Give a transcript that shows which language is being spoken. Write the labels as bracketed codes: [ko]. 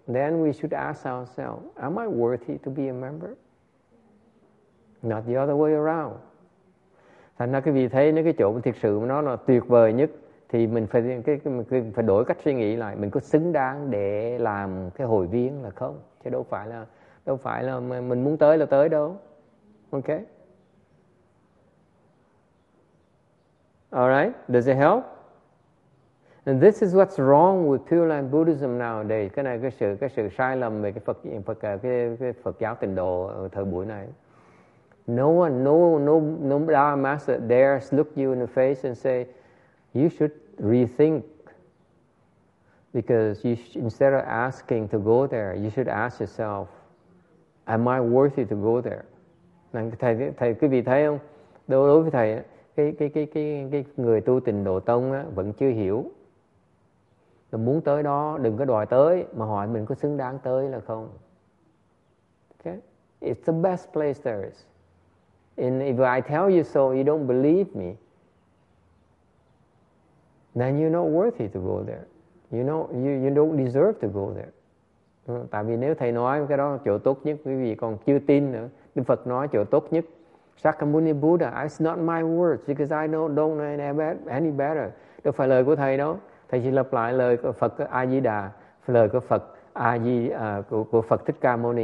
[en] Then we should ask ourselves, am I worthy to be a member? Not the other way around. [vi] Thành ra quý vị thấy cái chỗ thực sự nó là tuyệt vời nhất thì mình phải phải đổi cách suy nghĩ lại, mình có xứng đáng để làm cái hội viên là không, chứ đâu phải là mình muốn tới là tới đâu. [en] Okay? All right? Does it help? And this is what's wrong with Pure Land Buddhism nowadays. [vi] Cái này cái sự sai lầm về cái Phật giáo Tịnh Độ ở thời buổi này. [en] No Dharma master dares look you in the face and say, you should rethink. Because instead of asking to go there, you should ask yourself, am I worthy to go there? [vi] Thầy quý vị thấy không? Đối với thầy, cái người tu Tịnh Độ Tông á, vẫn chưa hiểu. Mình muốn tới đó, đừng có đòi tới, mà hỏi mình có xứng đáng tới là không. [en] Okay? It's the best place there is. And if I tell you so, you don't believe me, then you're not worthy to go there. You don't deserve to go there. [vi] Tại vì nếu thầy nói cái đó chỗ tốt nhất, quý vị còn chưa tin nữa. Đức Phật nói chỗ tốt nhất. [en] Shakyamuni Buddha, it's not my words, because I don't know any better. [vi] Đâu phải lời của thầy đâu. Thầy chỉ lặp lại lời của Phật A Di Đà, lời của Phật A Di của Phật Thích Ca Mâu Ni.